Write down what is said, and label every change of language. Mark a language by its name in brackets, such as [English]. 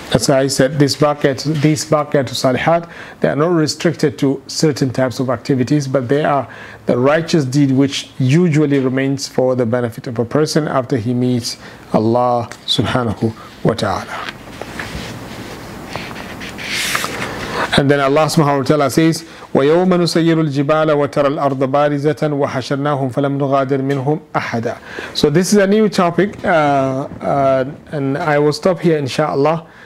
[English] As I said, these baqiyatu salihat, they are not restricted to certain types of activities, but they are the righteous deed which usually remains for the benefit of a person after he meets Allah subhanahu wa ta'ala. And then Allah subhanahu wa ta'ala says, [Arabic] وَيَوْمَ نُسَيِّرُ الْجِبَالَ وَتَرَى الْأَرْضَ بَارِزَةً وَحَشَرْنَاهُمْ فَلَمْ نُغَادِرْ مِنْهُمْ أَحَدًا. [English] So this is a new topic, and I will stop here inshallah.